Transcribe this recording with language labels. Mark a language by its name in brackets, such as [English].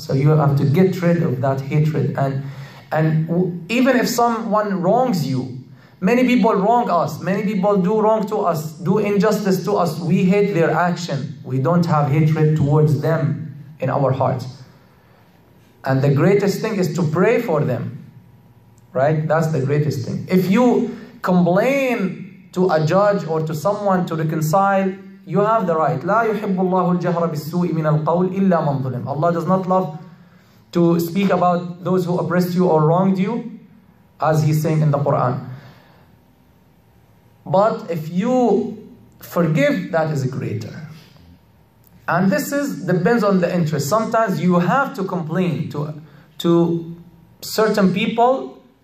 [English] So you have to get rid of that hatred. And even if someone wrongs you, many people wrong us, many people do wrong to us, do injustice to us, we hate their action. We don't have hatred towards them in our hearts. And the greatest thing is to pray for them. Right? That's the greatest thing. If you complain to a judge or to someone to reconcile, you have the right. [Arabic] لا يحب الله الجهر بالسوء من القول إلا من ظلم. [English] Allah does not love to speak about those who oppressed you or wronged you, as He's saying in the Quran. But if you forgive, that is greater. And this is depends on the interest. Sometimes you have to complain to certain people.